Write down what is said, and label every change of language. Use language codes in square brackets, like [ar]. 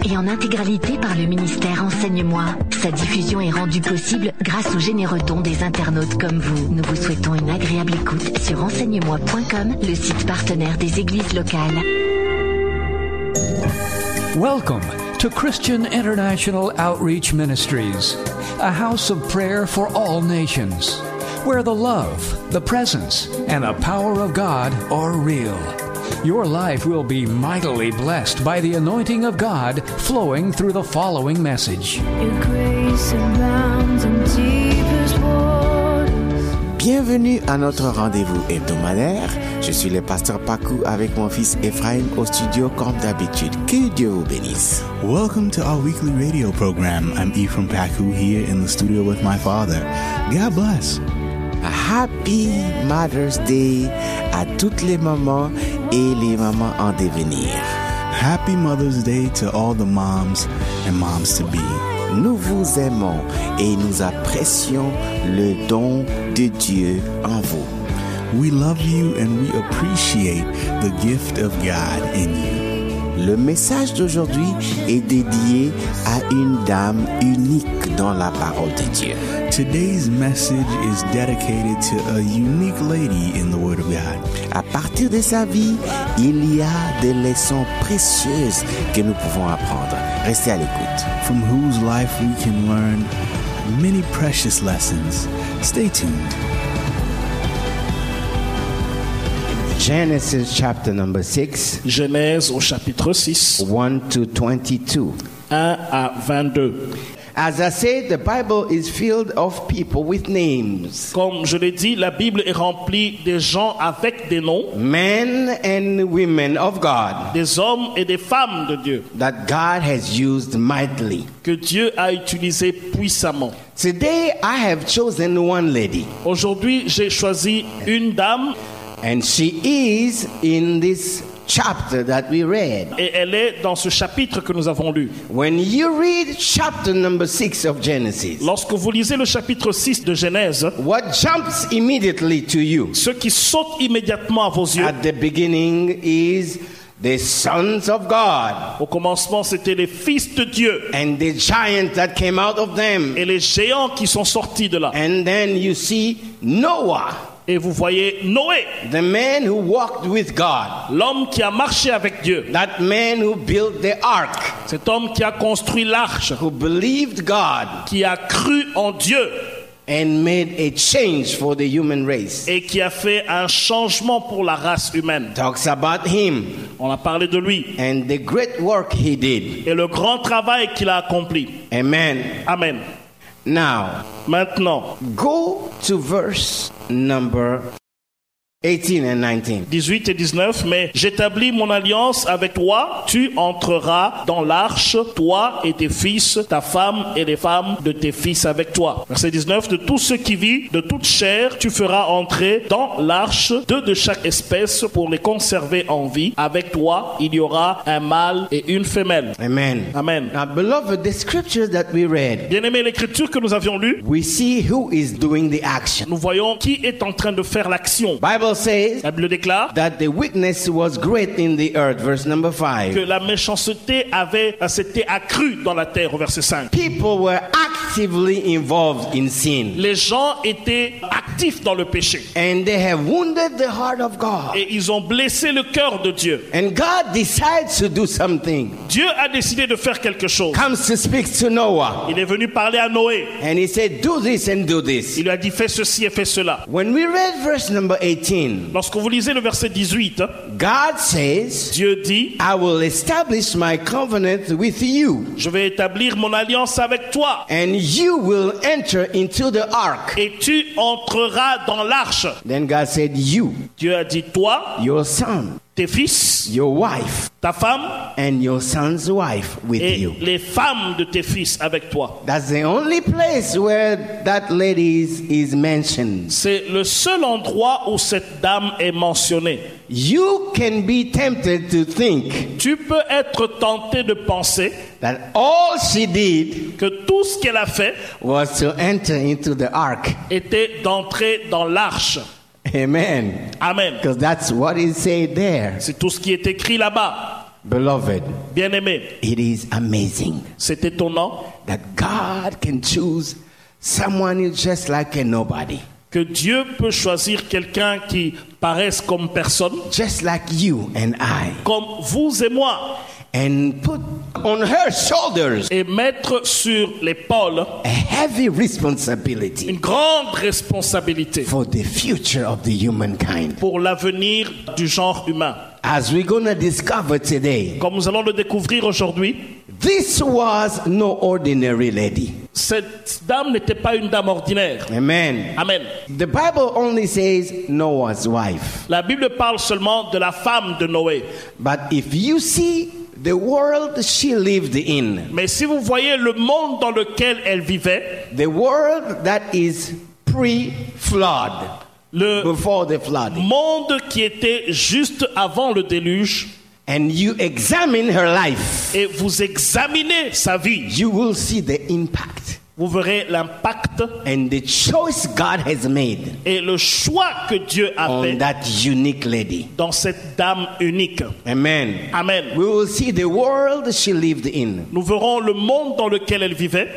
[fr] Et en intégralité par le ministère Enseigne-moi. Sa diffusion est rendue possible grâce aux généreux dons des internautes comme vous. Nous vous souhaitons une agréable écoute sur enseignemoi.com, le site partenaire des églises locales. [en] Welcome to Christian International Outreach Ministries, a house of prayer for all nations, where the love, the presence, and the power of God are real. Your life will be mightily blessed by the anointing of God flowing through the following message. Your grace abounds in deepest waters. [fr] Bienvenue à notre rendez-vous hebdomadaire. Je suis le pasteur Pakou avec mon fils Ephraim au studio comme d'habitude. Que Dieu vous bénisse. [en] Welcome to our weekly radio program. I'm Ephraim Pakou here in the studio with my father. God bless. Happy Mother's Day [fr] à toutes les mamans et les mamans en devenir. [en] Happy Mother's Day to all the moms and moms to be. [fr] Nous vous aimons et nous apprécions le don de Dieu en vous. [en] We love you and we appreciate the gift of God in you. [fr] Le message d'aujourd'hui est dédié à une dame unique dans la parole de Dieu. [en] Today's message is dedicated to a unique lady in the Word of God. [fr] À partir de sa vie, il y a des leçons précieuses que nous pouvons apprendre. Restez à l'écoute. [en] From whose life we can learn many precious lessons. Stay tuned. Genesis chapter number 6. [fr] Genèse au chapitre 6. [en] 1 to 22. [fr] 1 à 22. [en] As I said, the Bible is filled of people with names. [fr] Comme je l'ai dit, la Bible est remplie de gens avec des noms. [en] Men and women of God. [fr] Des hommes et des femmes de Dieu. [en] That God has used mightily. [fr] Que Dieu a utilisé puissamment. [en] Today I have chosen one lady. [fr] Aujourd'hui, j'ai choisi une dame. [en] And she is in this chapter that we read. [fr] Et elle est dans ce chapitre que nous avons lu. [en] When you read chapter number 6 of Genesis. [fr] Lorsque vous lisez le chapitre 6 de Genèse. [en] What jumps immediately to you. [fr] Ce qui saute immédiatement à vos yeux. [en] At the beginning is the sons of God. [fr] Au commencement, c'était les fils de Dieu. [en] And the giant that came out of them. [fr] Et les géants qui sont sortis de là. [en] And then you see Noah. [fr] Et vous voyez Noé, [en] the man who walked with God, [fr] l'homme qui a marché avec Dieu, [en] that man who built the ark, [fr] cet homme qui a construit l'arche, [en] who believed God, [fr] qui a cru en Dieu, [en] and made a change for the human race, [fr] et qui a fait un changement pour la race humaine. [en] Talks about him, [fr] on a parlé de lui, [en] and the great work he did, [fr] et le grand travail qu'il a accompli. [en] Amen. [fr] Amen. [en] Now, [fr] maintenant, [en] go to verse number 18 and 19. [fr] 18 et 19, mais j'établis mon alliance avec toi, tu entreras dans l'arche, toi et tes fils, ta femme et les femmes de tes fils avec toi. Verset 19, de tout ce qui vit, de toute chair, tu feras entrer dans l'arche, deux de chaque espèce pour les conserver en vie. Avec toi, il y aura un mâle et une femelle. [en] Amen. [fr] Amen. [en] Now, beloved, the scriptures that we read. [fr] Bien-aimé, l'écriture que nous avions lue. [en] We see who is doing the action. [fr] Nous voyons qui est en train de faire l'action. [en] Bible says [fr] déclare, [en] that the wickedness was great in the earth, verse number 5. [fr] Que la méchanceté avait s'était accrue dans la terre, verset 5. [en] People were actively involved in sin. [fr] Les gens étaient actifs dans le péché. [en] And they have wounded the heart of God. [fr] Et ils ont blessé le cœur de Dieu. [en] And God decides to do something. [fr] Dieu a décidé de faire quelque chose. [en] Comes to speak to Noah. [fr] Il est venu parler à Noé. [en] And he said, do this and do this. [fr] Il lui a dit, fais ceci et fais cela. [en] When we read verse number 18, [fr] lorsque vous lisez le verset 18, [en] God says, [fr] Dieu dit, [en] I will establish my covenant with you. [fr] Je vais établir mon alliance avec toi. [en] And you will enter into the ark. [fr] Et tu entreras dans l'arche. [en] Then God said, you. [fr] Dieu a dit, toi. [en] Your son. [fr] Tes fils, [en] your wife, [fr] ta femme, [en] and your son's wife with [fr] et [en] you. [fr] Les femmes de tes fils avec toi. [en] That's the only place where that lady is mentioned. [fr] C'est le seul endroit où cette dame est mentionnée. [en] You can be tempted to think. [fr] Tu peux être tenté de penser [en] that all she did [fr] que tout ce qu'elle a fait [en] was to enter into the ark. [fr] Était d'entrer dans l'arche. [en] Amen. [fr] Amen. [en] Because that's what it said there. [fr] C'est tout ce qui est écrit là-bas. [en] Beloved, [fr] bien-aimé, [en] it is amazing. [fr] C'est étonnant [en] that God can choose someone who's just like a nobody. [fr] Que Dieu peut choisir quelqu'un qui paraisse comme personne. [en] Just like you and I. [fr] Comme vous et moi. [en] And put on her shoulders. [fr] Et mettre sur l'épaule. [en] A heavy responsibility. [fr] Une grande responsabilité. [en] For the future of the humankind. [fr] Pour l'avenir du genre humain. [en] As we're gonna discover today. [fr] Comme nous allons le découvrir aujourd'hui. [en] This was no ordinary lady. [fr] Cette dame n'était pas une dame ordinaire. [en] Amen. [fr] Amen. [en] The Bible only says Noah's wife. [fr] La Bible parle seulement de la femme de Noé. [en] But if you see the world she lived in. [fr] Mais si vous voyez le monde dans lequel elle vivait. [en] The world that is pre-flood. [fr] Le [en] before the flood. [fr] Monde qui était juste avant le déluge. [en] And you examine her life. [fr] Et vous examinez sa vie. [en] You will see the impact. [fr] Vous verrez l'impact. [en] And the choice God has made. [fr] Et le choix que Dieu a [en] on [fr] fait. [en] On that unique lady. [fr] Dans cette dame unique. [en] Amen. [fr] Amen. [en] We will see the world she lived in. [fr] Nous verrons le monde dans lequel elle vivait.